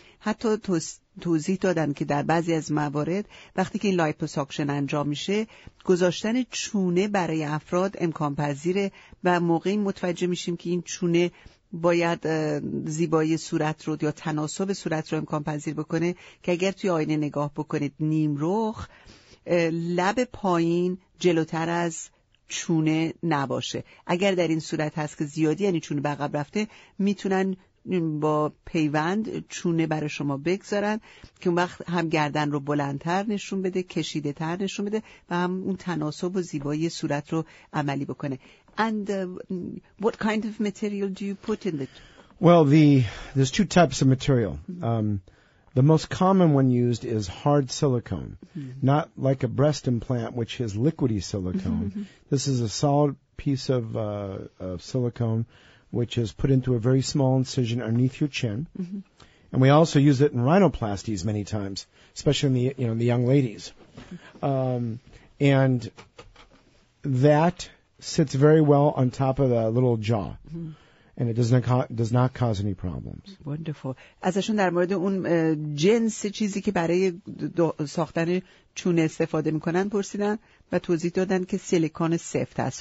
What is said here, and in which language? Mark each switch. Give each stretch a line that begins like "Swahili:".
Persian: حتی توضیح دادن که در بعضی از موارد وقتی که این لایپوساکشن انجام میشه گذاشتن چونه برای افراد امکان پذیره و موقعی متوجه میشیم که این چونه باید زیبایی صورت رو یا تناسب صورت رو امکان پذیر بکنه، که اگر توی آینه نگاه بکنید نیم رخ لب پایین جلوتر از چونه نباشه. اگر در این صورت هست که زیادی یعنی چونه به عقب رفته، میتونن با پیوند چونه برای شما بگذارن که اون وقت هم گردن رو بلندتر نشون بده، کشیده تر نشون بده و هم اون تناسب و زیبایی صورت رو عملی بکنه.
English: And what kind of material do you put in it? Well, there's two types of material. The most common one used is hard silicone, mm-hmm. not like a breast implant, which is liquidy silicone. This is a solid piece of silicone, which is put into a very small incision underneath your chin. Mm-hmm. And we also use it in rhinoplasties many times, especially in the, you know, the young ladies. And that sits very well on top of the little jaw. Mm-hmm. And it does not cause any problems. Wonderful.
Persian: ازشون در مورد اون جنس چیزی که برای ساختن چونه استفاده میکنن پرسیدن و توضیح دادن که سیلیکون سفت است.